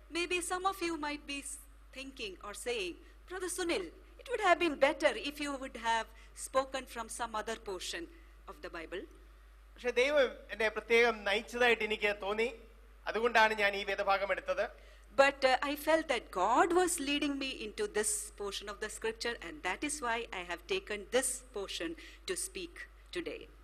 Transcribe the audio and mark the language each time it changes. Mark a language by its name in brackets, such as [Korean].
[English] Maybe some of you might be thinking or saying, Brother Sunil, it would have been better if you would have spoken from some other portion of the Bible. [Malayalam] പക്ഷെ ദൈവം എന്നെ പ്രത്യേകം നയിച്ചതായിട്ട് എനിക്ക് തോന്നി, അതുകൊണ്ടാണ് ഞാൻ ഈ വേദഭാഗം എടുത്തത്. [English] But I felt that God was leading me into this portion of the scripture and that is why I have taken this portion to speak today.